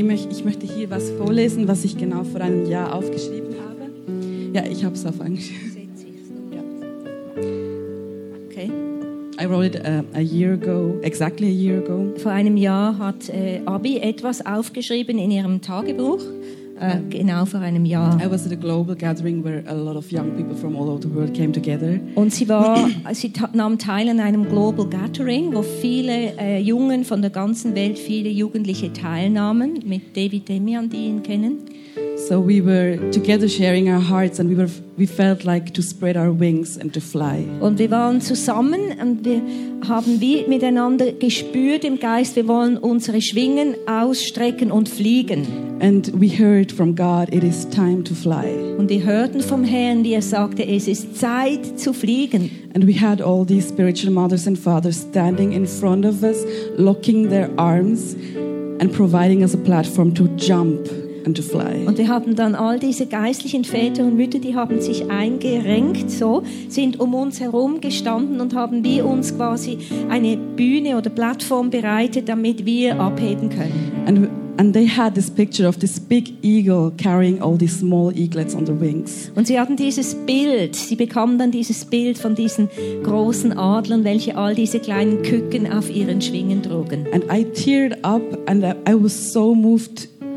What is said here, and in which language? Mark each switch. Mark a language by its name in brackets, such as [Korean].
[German] ich möchte hier was vorlesen, was ich genau vor einem Jahr aufgeschrieben habe. Ja, ich habe es auf Englisch. Okay. [English] I wrote it exactly a year ago. [German] Vor einem Jahr hat Abby etwas aufgeschrieben in ihrem Tagebuch. Genau vor einem Jahr. [English] I was at a global gathering where a lot of young people from all over the world came together. [German] Und sie nahm teil an einem global gathering, wo viele Jungen von der ganzen Welt, viele Jugendliche teilnahmen, mit David Demian, die ihn kennen. [English] So we were together sharing our hearts and we felt like to spread our wings and to fly. [German] Und wir waren zusammen und wir haben wie miteinander gespürt im Geist, wir wollen unsere Schwingen ausstrecken und fliegen. [English] And we heard from God, it is time to fly. [German] Und wir hörten vom Herrn, wie er sagte, es ist Zeit zu fliegen. [English] And we had all these spiritual mothers and fathers standing in front of us, locking their arms and providing us a platform to jump. And to fly. [German] Und wir hatten dann all diese geistlichen Väter und Mütter, die haben sich eingerenkt, so sind um uns herum gestanden und haben wie uns quasi eine Bühne oder Plattform bereitet, damit wir abheben können. [English] And they had this picture of this big eagle carrying all these small eaglets on their wings. [German] Und sie hatten dieses Bild, sie bekamen dann dieses Bild von diesen großen Adlern, welche all diese kleinen Küken auf ihren Schwingen trugen. [English] And I teared up and I was so moved.